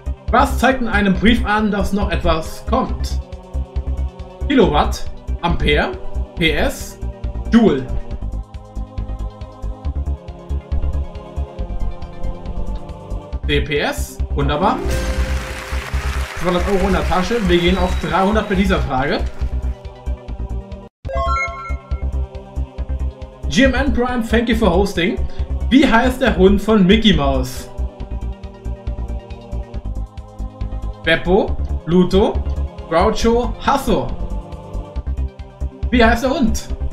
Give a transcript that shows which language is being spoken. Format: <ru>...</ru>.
<de>Was zeigt in einem Brief an, dass noch etwas kommt? Kilowatt, Ampere, PS, Joule. DPS, wunderbar. 200 Euro in der Tasche, wir gehen auf 300 bei dieser Frage.</de> <en>GMN Prime, thank you for hosting.</en> <de>Wie heißt der Hund von Mickey Mouse? Beppo, Pluto, Groucho, Hasso. Wie heißt der Hund?</de>